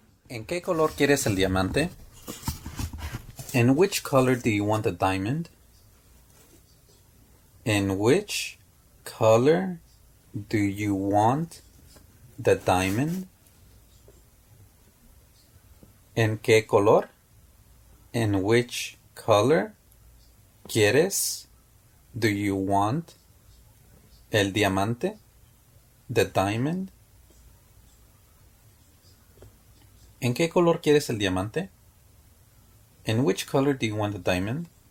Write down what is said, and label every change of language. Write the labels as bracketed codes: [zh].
[es] ¿En qué color quieres el diamante? [en] In which color do you want the diamond? In which color do you want the diamond? [es] ¿En qué color? [en] In which color [es] quieres? [en] Do you want [es] el diamante? [en] The diamond? [es] ¿En qué color quieres el diamante? [en] In which color do you want the diamond?